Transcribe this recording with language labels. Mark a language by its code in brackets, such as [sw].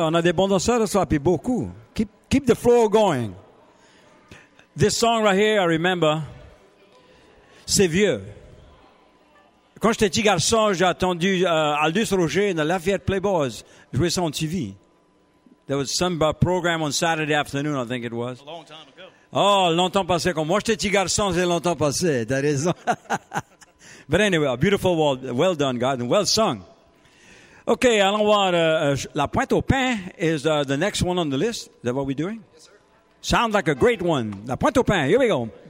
[fr] On a des bons danseurs ce soir, puis beaucoup. [en] Keep the flow going. This song right here, I remember. [fr] C'est vieux. Quand j'étais petit garçon, j'ai attendu Aldous Roger dans la Fiat Playboys jouer ça en TV. [en] There was some program on Saturday afternoon, I think it was. A long time ago. [fr] Oh, longtemps passé. Quand moi j'étais petit garçon, c'est longtemps passé. T'as raison. [en] But anyway, a beautiful world. Well done, God, and well sung. Okay, [fr] allons voir. [en] La pointe au pain is the next one on the list. Is that what we're doing? Yes, sir. Sounds like a great one. La pointe au pain. Here we go.